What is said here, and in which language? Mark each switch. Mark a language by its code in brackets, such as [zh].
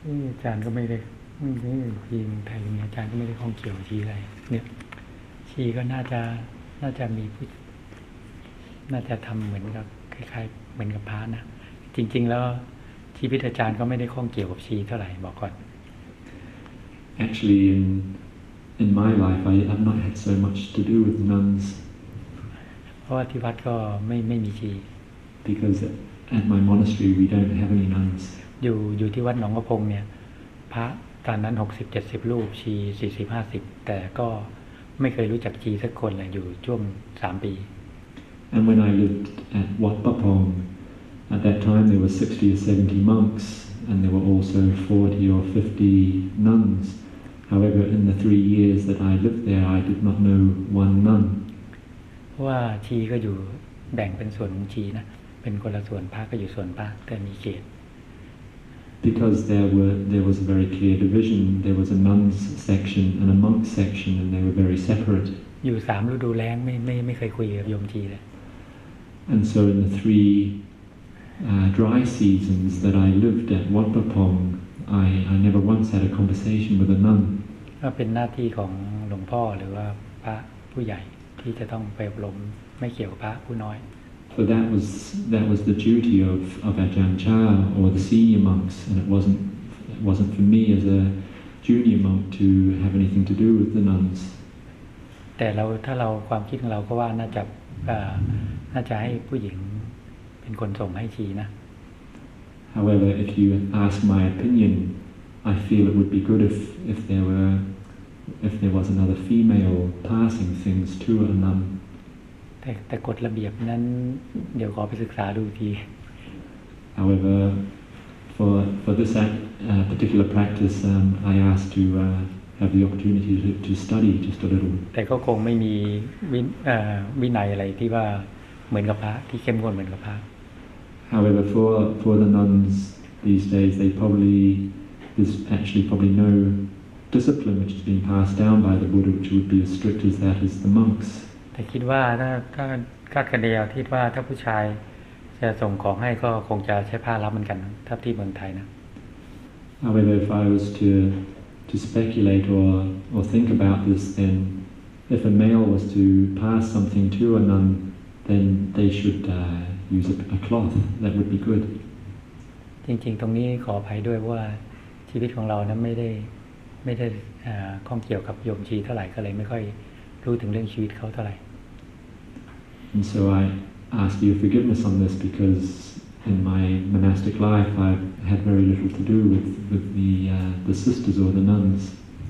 [th] อาจารย์ก็ไม่ได้นี่ทีมไทยมีอาจารย์ก็ไม่ได้ข้องเกี่ยวชีอะไรเนี่ยชีก็น่าจะมีน่าจะทำเหมือนกับคล้ายๆเหมือนกับพระนะจริงๆแล้วชีพิธอาจารย์ก็ไม่ได้ข้องเกี่ยวกับชีเท่าไหร่บอกก่อน [en] Actually in my life I have not had so much to do with nuns [th] เพราะว่าที่วัดก็ไม่มีชี [en] Because at my monastery we don't have any nuns [th] อยู่ที่วัดหนองกระพงเนี่ยพระตอนนั้น60-70รูปชี40-50แต่ก็ไม่เคยรู้จักชีสักคนเลยอยู่ช่วง3ปี [en] And when I lived at Wat Pa Phong at that time there were 60 or 70 monks and there were also 40 or 50 nuns however in the 3 years that I lived there I did not know one nun [th] ว่าชีก็อยู่แบ่งเป็นส่วนของชีนะเป็นคนละส่วนพระก็อยู่ส่วนพระแต่มีเขต [en] Because there was a very clear division. There was a nuns section and a monks section, and they were very separate. [th] อยู่สามฤดูแล้งไม่เคยคุยกับโยมชีเลย [en] And so in the three dry seasons that I lived at Wat Pa Phong, I never once had a conversation with a nun. [th] ก็เป็นหน้าที่ของหลวงพ่อหรือว่าพระผู้ใหญ่ที่จะต้องไปอบรมไม่เกี่ยวกับพระผู้น้อย [en] So that was the duty of Ajahn Chah or the senior monks, and it wasn't for me as a junior monk to have anything to do with the nuns. But if our thinking is that we should have a woman be the one to send the tea. However, if you ask my opinion, I feel it would be good if there was another female passing things to a nun. [th] แต่กฎระเบียบนั้นเดี๋ยวขอไปศึกษาดูที [en] However for this particular practice I asked to have the opportunity to study just a little [th] แต่ก็คงไม่มีวินัยอะไรที่ว่าเหมือนกับพระที่เข้มงวดเหมือนกับพระ [en] However for the nuns these days they probably there's actually probably no discipline which is being passed down by the Buddha which would be as strict as that as the monks [th] แต่คิดว่าถ้าคะแนนที่ว่าถ้าผู้ชายจะส่งของให้ก็คงจะใช้ผ้ารับเหมือนกันถ้าที่เมืองไทยนะ [en] However, if I was to speculate or think about this, then if a male was to pass something to a nun, then they should use a cloth. That would be good. [th] จริงๆตรงนี้ขออภัยด้วยว่าชีวิตของเรานั้นไม่ได้ข้องเกี่ยวกับโยมชีเท่าไหร่ก็เลยไม่ค่อยรู้ถึงเรื่องชีวิตเขาเท่าไหร่ [en] And so I ask you forgiveness on this because in my monastic life I've had very little to do with the sisters or the nuns